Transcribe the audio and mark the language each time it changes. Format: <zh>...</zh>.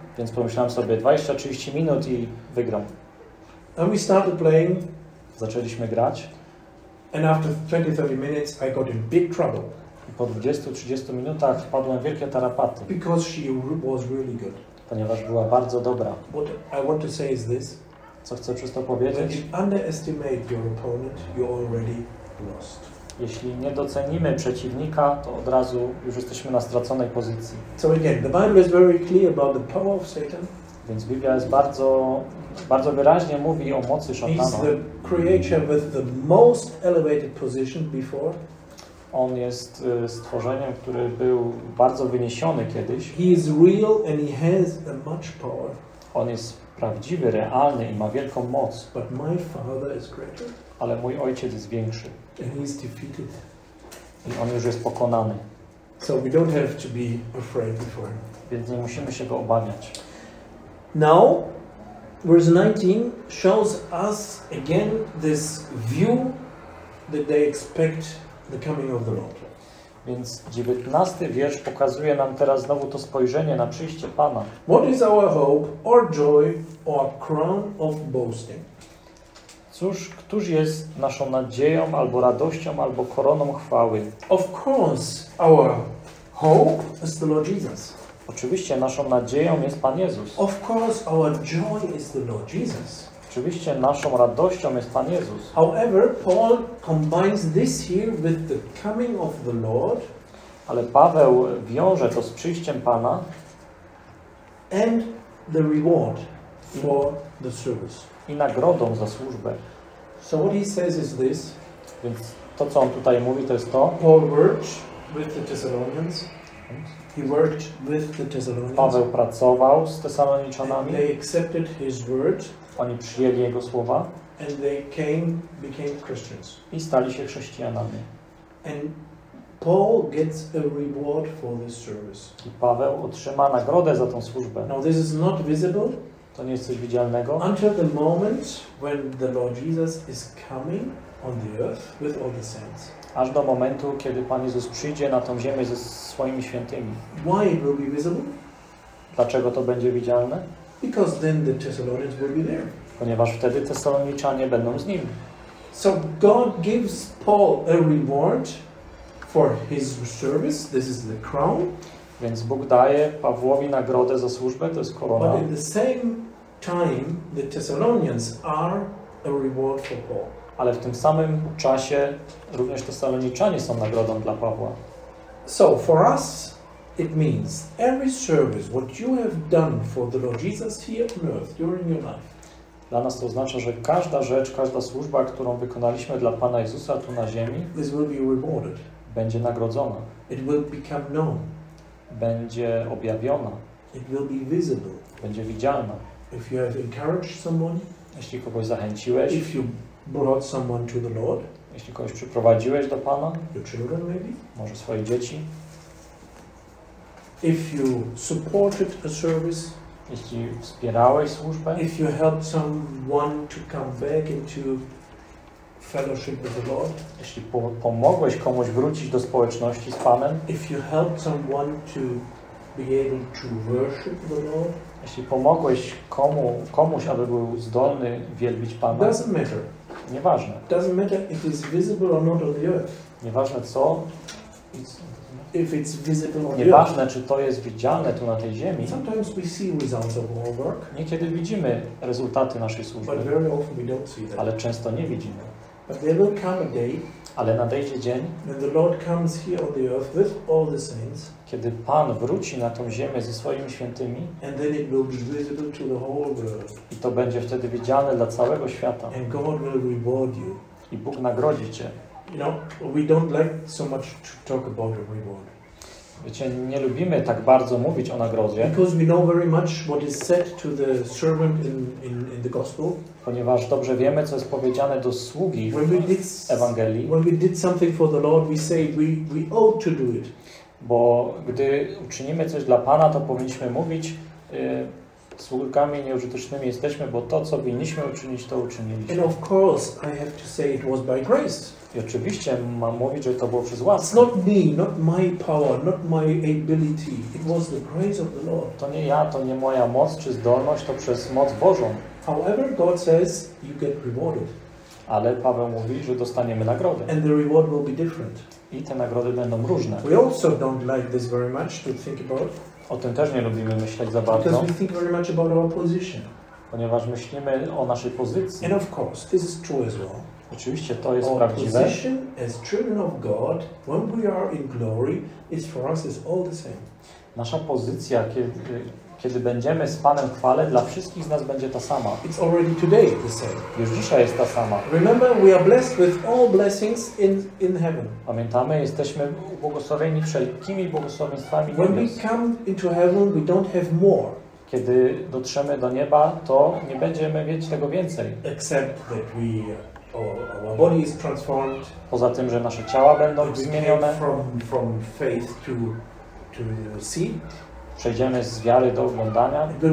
<pl>Więc pomyślałem sobie 20-30 minut i wygram.</pl> <en>And we started playing.</en> <pl>Zaczęliśmy grać.</pl> <en>And after 20-30 minutes I got in big trouble.</en> <pl>I po 20-30 minutach wpadłem w wielkie tarapaty.</pl> <en>Because she was really good.</en> <pl>Ponieważ była bardzo dobra.</pl> <en>What I want to say is this.</en> <pl>Co chcę przez to powiedzieć?</pl> <en>When you underestimate your opponent, you already lost.</en> <pl>Jeśli nie docenimy przeciwnika, to od razu już jesteśmy na straconej pozycji.</pl> <en>So again, the Bible is very clear about the power of Satan.</en> <pl>Więc Biblia jest bardzo, bardzo wyraźnie mówi o mocy szatana.</pl> <en>He's the creature with the most elevated position before.</en> <pl>On jest stworzeniem, który był bardzo wyniesiony kiedyś.</pl> <en>He is real and he has a much power.</en> <pl>On jest prawdziwy, realny i ma wielką moc.</pl> <en>But my father is greater.</en> <pl>Ale mój ojciec jest większy.</pl> <en>And he is defeated.</en> <pl>I on już jest pokonany.</pl> <en>So we don't have to be afraid before him.</en> <pl>Więc nie musimy się go obawiać.</pl> <en>Now, verse 19 shows us again this view that they expect the coming of the Lord.</en> <pl>Więc 19 wiersz pokazuje nam teraz znowu to spojrzenie na przyjście Pana.</pl> <en>What is our hope or joy or crown of boasting?</en> <pl>Cóż, któż jest naszą nadzieją, albo radością, albo koroną chwały?</pl> <en>Of course, our hope is the Lord Jesus.</en> <pl>Oczywiście naszą nadzieją jest Pan Jezus.</pl> <en>Of course, our joy is the Lord Jesus.</en> <pl>Oczywiście naszą radością jest Pan Jezus.</pl> <en>However, Paul combines this here with the coming of the Lord.</en> <pl>Ale Paweł wiąże to z przyjściem Pana.</pl> <en>And the reward for the service.</en> <pl>I nagrodą za służbę.</pl> <en>So what he says is this.</en> <pl>Więc to, co on tutaj mówi, to jest to.</pl> <en>Paul worked with the Thessalonians. He worked with the Thessalonians.</en> <pl>Paweł pracował z Tesaloniczanami.</pl> <en>They accepted his word.</en> <pl>Oni przyjęli jego słowa.</pl> <en>And they came, became Christians.</en> <pl>I stali się chrześcijanami.</pl> <en>And Paul gets a reward for this service.</en> <pl>I Paweł otrzyma nagrodę za tą służbę.</pl> <en>Now this is not visible.</en> <pl>To nie jest coś widzialnego.</pl> <en>Until the moment when the Lord Jesus is coming on the earth with all the saints.</en> <pl>Aż do momentu, kiedy Pan Jezus przyjdzie na tą ziemię ze swoimi świętymi.</pl> <en>Why it will be visible?</en> <pl>Dlaczego to będzie widzialne?</pl> <en>Because then the Thessalonians will be there.</en> <pl>Ponieważ wtedy Tesaloniczanie będą z nim.</pl> <en>So God gives Paul a reward for his service. This is the crown.</en> <pl>Więc Bóg daje Pawłowi nagrodę za służbę, to jest korona.</pl> <en>But at the same time, the Thessalonians are a reward for Paul.</en> <pl>Ale w tym samym czasie również Tesaloniczanie są nagrodą dla Pawła.</pl> <en>So for us it means every service what you have done for the Lord Jesus here on earth during your life.</en> <pl>Dla nas to oznacza, że każda rzecz, każda służba, którą wykonaliśmy dla Pana Jezusa tu na ziemi,</pl> <en>this will be rewarded.</en> <pl>Będzie nagrodzona.</pl> <en>It will become known.</en> <pl>Będzie objawiona.</pl> <en>It will be visible.</en> <pl>Będzie widzialna.</pl> <en>If you have encouraged someone,</en> <pl>jeśli kogoś zachęciłeś,</pl> <en>if you brought someone to the Lord,</en> <pl>jeśli kogoś przyprowadziłeś do Pana,</pl> <en>your children maybe,</en> <pl>może swoje dzieci,</pl> <en>if you supported a service,</en> <pl>jeśli wspierałeś służbę,</pl> <en>if you helped someone to come back into fellowship with the Lord,</en> <pl>jeśli pomogłeś komuś wrócić do społeczności z Panem,</pl> <en>if you helped someone to be able to worship the Lord,</en> <pl>jeśli pomogłeś komuś, aby był zdolny wielbić Pana,</pl> <en>doesn't matter.</en> <pl>Nieważne.</pl> <en>Doesn't matter if it's visible or not on the earth.</en> <pl>Nieważne co.</pl> <en>If it's visible on</en> <pl>nieważne,</pl> <en>earth.</en> <pl>Czy to jest widzialne tu na tej ziemi.</pl> <en>Sometimes we see results of our work.</en> <pl>Niekiedy widzimy rezultaty naszej służby.</pl> <en>But very often we don't see them.</en> <pl>Ale często nie widzimy.</pl> <en>But there will come a day.</en> <pl>Ale nadejdzie dzień.</pl> <en>When the Lord comes here on the earth with all the saints.</en> <pl>Kiedy Pan wróci na tą ziemię ze swoimi świętymi.</pl> <en>And then it will be visible to the whole world.</en> <pl>I to będzie wtedy widziane dla całego świata.</pl> <en>And God will reward you.</en> <pl>I Bóg nagrodzi cię.</pl> <en>You know, we don't like so much to talk about the reward.</en> <pl>Wiecie, nie lubimy tak bardzo mówić o nagrodzie.</pl> <en>Because we know very much what is said to the servant in the gospel.</en> <pl>Ponieważ dobrze wiemy, co jest powiedziane do sługi w Ewangelii.</pl> <en>When we did something for the Lord, we say we ought to do it.</en> <pl>Bo gdy uczynimy coś dla Pana, to powinniśmy mówić, sługami nieużytecznymi jesteśmy, bo to, co winniśmy uczynić, to uczyniliśmy.</pl> <en>And of course, I have to say it was by grace.</en> <pl>I oczywiście mam mówić, że to było przez łaskę.</pl> <en>It's not me, not my power, not my ability. It was the grace of the Lord.</en> <pl>To nie ja, to nie moja moc czy zdolność, to przez moc Bożą.</pl> <en>However, God says you get rewarded.</en> <pl>Ale Paweł mówi, że dostaniemy nagrodę.</pl> <en>And the reward will be different.</en> <pl>I te nagrody będą różne.</pl> <en>We also don't like this very much to think about.</en> <pl>O tym też nie lubimy myśleć za bardzo.</pl> <en>Because we think very much about our position.</en> <pl>Ponieważ myślimy o naszej pozycji.</pl> <en>And of course, this is true as well.</en> <pl>Oczywiście to jest</pl> <en>our</en> <pl>prawdziwe.</pl> <en>Position as children of God, when we are in glory, is for us is all the same.</en> <pl>Nasza pozycja, kiedy będziemy z Panem w chwale, dla wszystkich z nas będzie ta sama.</pl> <en>It's already today the same.</en> <pl>Już dzisiaj jest ta sama.</pl> <en>Remember, we are blessed with all blessings in heaven.</en> <pl>Pamiętamy, jesteśmy błogosławieni wszelkimi błogosławieństwami.</pl> <en>When we come into heaven, we don't have more.</en> <pl>Kiedy dotrzemy do nieba, to nie będziemy mieć tego więcej.</pl> <en>Except that we our body is transformed.</en> <pl>Poza tym, że nasze ciała będą zmienione.</pl> <en>From faith to see.</en> <pl>Przejdziemy z wiary do oglądania.</pl>